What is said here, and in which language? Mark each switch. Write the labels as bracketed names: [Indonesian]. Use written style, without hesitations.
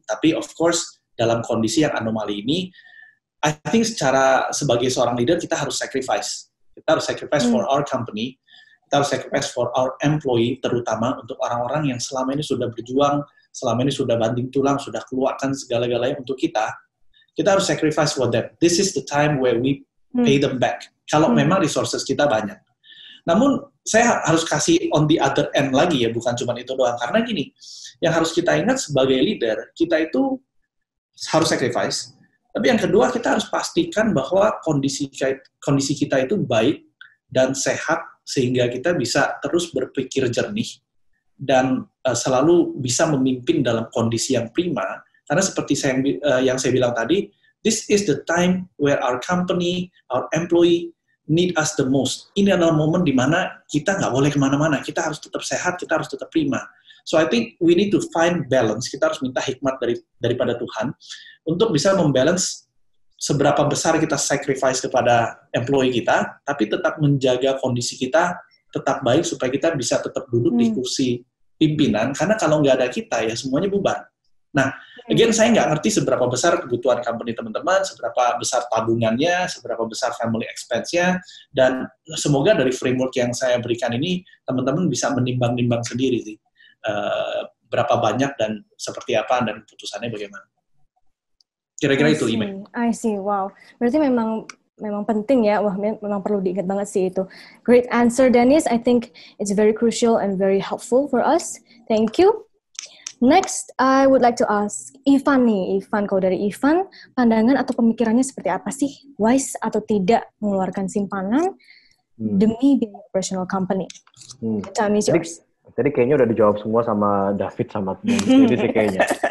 [Indonesian] Tapi of course, dalam kondisi yang anomali ini, [English] I think [Indonesian] secara sebagai seorang leader, kita harus sacrifice. Kita harus sacrifice [English] for our company, [Indonesian] kita harus sacrifice [English] for our employee, [Indonesian] terutama untuk orang-orang yang selama ini sudah berjuang, selama ini sudah banting tulang, sudah keluarkan segala-galanya untuk kita. Kita harus sacrifice [English] for that. This is the time where we pay them back. [Indonesian] Kalau memang resources kita banyak. Namun, saya harus kasih [English] on the other end [Indonesian] lagi ya, bukan cuma itu doang. Karena gini, yang harus kita ingat sebagai leader, kita itu harus sacrifice. Tapi yang kedua, kita harus pastikan bahwa kondisi kita itu baik dan sehat, sehingga kita bisa terus berpikir jernih dan selalu bisa memimpin dalam kondisi yang prima. Karena seperti yang saya bilang tadi, [English] this is the time where our company, our employee need us the most. [Indonesian] Ini adalah momen di mana kita nggak boleh kemana-mana. Kita harus tetap sehat, kita harus tetap prima. [English] So I think we need to find balance. [Indonesian] Kita harus minta hikmat daripada Tuhan untuk bisa membalance seberapa besar kita sacrifice kepada employee kita, tapi tetap menjaga kondisi kita tetap baik supaya kita bisa tetap duduk di kursi pimpinan. Karena kalau nggak ada kita, ya semuanya bubar. Nah, again, saya nggak ngerti seberapa besar kebutuhan company teman-teman, seberapa besar tabungannya, seberapa besar family expense-nya, dan semoga dari framework yang saya berikan ini, teman-teman bisa menimbang-nimbang sendiri sih. Berapa banyak dan seperti apa, dan keputusannya bagaimana. Kira-kira itu, Ime. [English] I see, [Indonesian] wow. Berarti memang penting ya, wah memang perlu diingat banget sih itu. [English] Great answer, Dennis. I think it's very crucial and very helpful for us. Thank you. Next, I would like to ask Ivan nih. [Indonesian] Ivan, kalau dari Ivan, pandangan atau pemikirannya seperti apa sih? Wise atau tidak mengeluarkan simpanan demi biaya operational company? [English] The time is yours. [Indonesian] Tadi kayaknya udah dijawab semua sama David sama Dennis sih kayaknya.